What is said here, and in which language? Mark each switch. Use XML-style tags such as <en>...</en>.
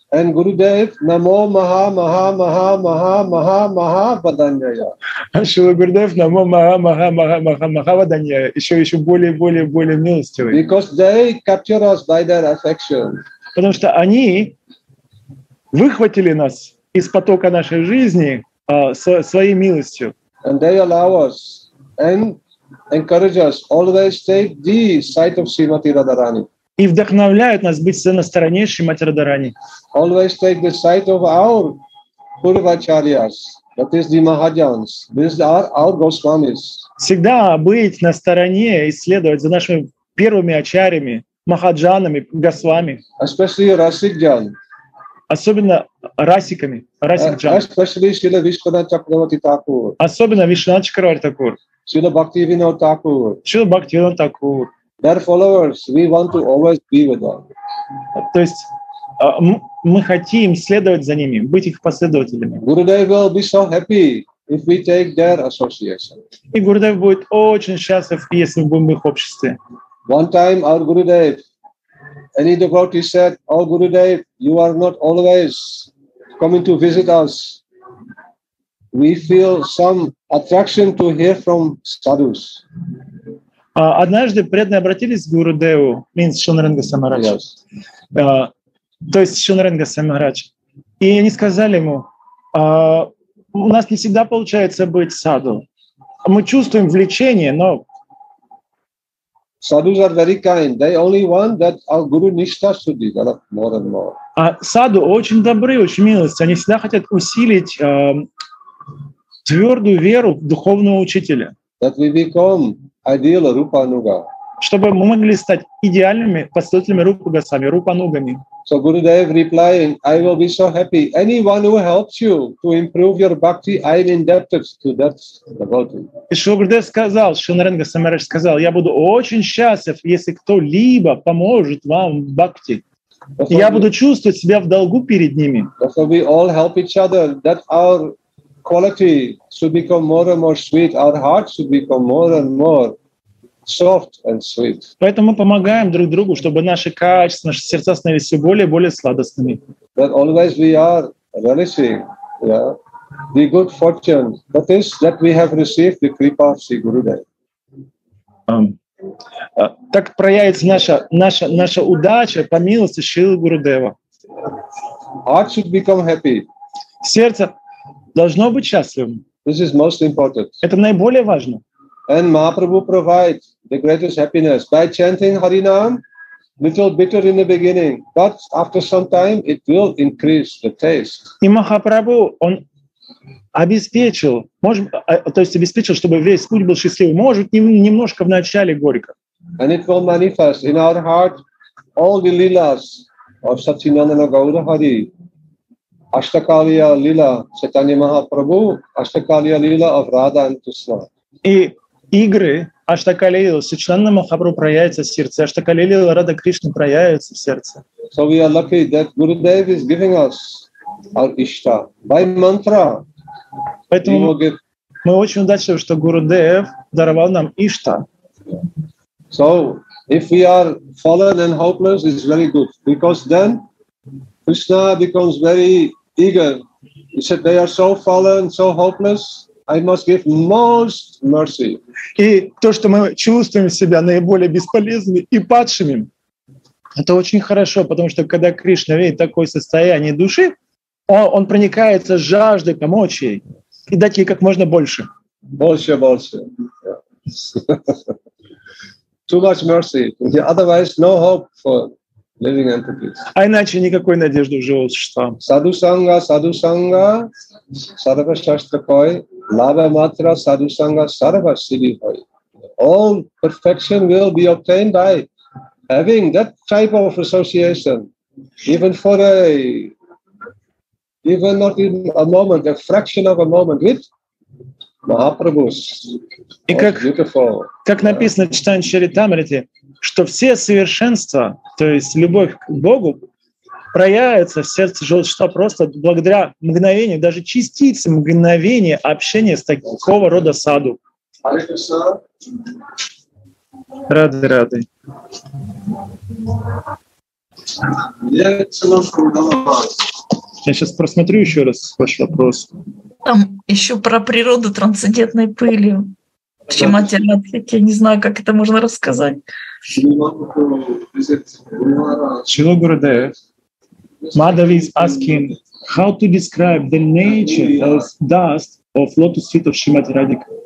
<sa>And Gurudev, namo maha maha maha maha maha maha vadanyaya. Шрила Гурудев, намо маха маха маха маха маха ваданьяя.</sa> <ru>Еще более милостивый.</ru> <en>Because they capture us by their affection.</en> <ru>Потому что они выхватили нас из потока нашей жизни своей милостью.</ru> <en>And they allow us and encourage us always take the side of Srimati Radharani.</en> <ru>И вдохновляют нас быть на стороне Шримати Радхарани.</ru> <en>Always take the side of our Purvacharyas, that is the Mahajans. These are our Goswamis.</en> <ru>Всегда быть на стороне и следовать за нашими первыми ачарьями, махаджанами, госвами.</ru> <en>Especially Расикджан.</en> <ru>Особенно Расиками, Расикджан.</ru> <en>Especially Srila Vishwanath Chakravarti Thakur.</en> <ru>Особенно Вишванат Чакраварти Такур.</ru> <en>Srila Bhaktivinoda Thakur. Srila Bhaktivinoda Thakur. Their followers, we want to always be with them.</en> <ru>То есть мы хотим следовать за ними, быть их последователями.</ru> <en>Gurudev will be so happy if we take their association.</en> <ru>И Гурудев будет очень счастлив, если мы будем в их обществе.</ru> <en>One time our Gurudev, any devotee said, "Oh Gurudev, you are not always coming to visit us. We feel some attraction to hear from sadhus."</en> <ru>Однажды преданные обратились к Гурудеву,</ru> <en>means</en> <ru>Шонаренга Самарадж. Yes. То есть Шонаренга Самарадж. И они сказали ему, у нас не всегда получается быть саду. Мы чувствуем влечение, но...</ru> <en>Sadhus are very kind. They only want that our Guru Nishtha should develop more and more.</en> <ru>Саду очень добры, очень милостивы. Они всегда хотят усилить твердую веру духовного учителя.</ru> <en>That we become ideal Rupa Anuga.</en> <ru>Чтобы мы могли стать идеальными последователями Рупа Госвами, Рупа Анугами.</ru> <en>So Gurudev replying, I will be so happy. Anyone who helps you to improve your bhakti, I am indebted to that devotee.</en> <ru>И Шрила Гурудев сказал, Шонаренга Самарадж сказал, я буду очень счастлив, если кто-либо поможет вам в бхакти. Я буду чувствовать себя в долгу перед ними.</ru> <en>So we all help each other, that our quality should become more and more sweet. Our heart should become more and more soft and sweet.</en> <ru>Поэтому мы помогаем друг другу, чтобы наши качества, наши сердца становились все более и более сладостными.</ru> <en>That always we are relishing, yeah, the good fortune that is that we have received the kripa of Sri Gurudev.</en> <ru>Так проявится наша удача по милости Шрилы Гурудева.</ru> <en>Heart should become happy.</en> <ru>Сердце должно быть счастливым.</ru> <en>This is most important.</en> <ru>Это наиболее важно.</ru> <en>And Mahaprabhu provides the greatest happiness by chanting Harinam, little bitter in the beginning, but after some time it will increase the taste.</en> <ru>И Махапрабху, он обеспечил, обеспечил, чтобы весь путь был счастливым. Может, немножко в начале горько.</ru> <en>And it will manifest in our heart all the lilas of Satchinandana Gaura Hari.</en> <ru>Аштакалия лила Чайтанья Махапрабху, Аштакалия лила of Radha and Krishna. И игры Аштакалила, Сичанна Махапрабху проявится в сердце. Аштакалила, Рада Кришна проявится в сердце.</ru> <en>So we are lucky that Gurudev is giving us our Ishta by mantra.</en> <ru>Поэтому</ru> <en>we will get...</en> <ru>мы очень удачливы, что Гурудев даровал нам Ишта.</ru> <en>So if we are fallen and hopeless, it's very good, because then Krishna becomes very eager. He said, they are so fallen, so hopeless. I must give most mercy.</en> <ru>И то, что мы чувствуем себя наиболее бесполезными и падшими, это очень хорошо, потому что когда Кришна видит такое состояние души, он проникается жаждой помочь ей и дать ей как можно больше. Больше, больше.</ru> <en>Too much mercy. Otherwise, no hope for living entities.</en> <ru>А иначе никакой надежды в живом существе.</ru> <sa>Садусанга, садусанга, садхашаштакой.</sa> <bn>Lava matra sadhusanga sarva siddhi hoy.</bn> <en>All perfection will be obtained by having that type of association, even for a, even not in a moment, a fraction of a moment with Mahaprabhu.</en> <ru>И как,</ru> <en>beautiful.</en> <ru>Как написано в читании Чаритамриты, что все совершенства, то есть любовь к Богу, проявится в сердце живого просто благодаря мгновению, даже частице мгновения общения с такого рода саду. Рады, рады. Я сейчас просмотрю еще раз ваш вопрос. Там еще про природу трансцендентной пыли. Чем я не знаю, как это можно рассказать. Чего Гурудев?</ru> <en>Madhavi is asking how to describe the nature of dust of lotus feet of Shrimati Radhika.</en>